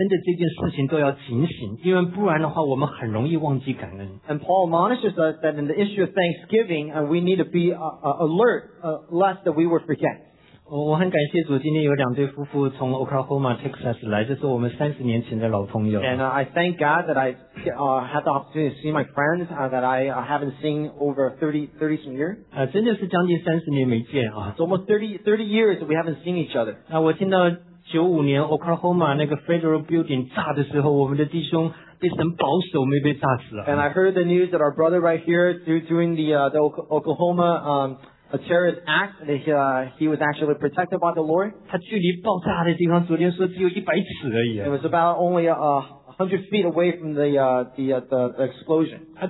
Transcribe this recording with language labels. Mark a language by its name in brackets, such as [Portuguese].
[Chinese] 保罗在哥罗西书第4章讲到说我们连感恩的这件事情都要警醒, 因为不然的话我们很容易忘记感恩。 [English] And Paul admonishes us that in the issue of thanksgiving, we need to be alert lest that we would forget. [Chinese] 我很感谢主今天有两对夫妇从 Oklahoma, Texas 来，这是我们30年前的老朋友。 [English] And I thank God that I had the opportunity to see my friends that I haven't seen over 30 some years. [Chinese] 真的是将近30年没见啊。 [English] It's almost 30 years that we haven't seen each other. [Chinese] 我听到95年 Oklahoma 那个 Federal Building 炸的时候，我们的弟兄 [English] And I heard the news that our brother right here during the Oklahoma a terrorist act, that he was actually protected by the Lord. [Chinese] 他距离爆炸的地方昨天说只有100尺而已。 [English] It was about only 100 feet away from the explosion.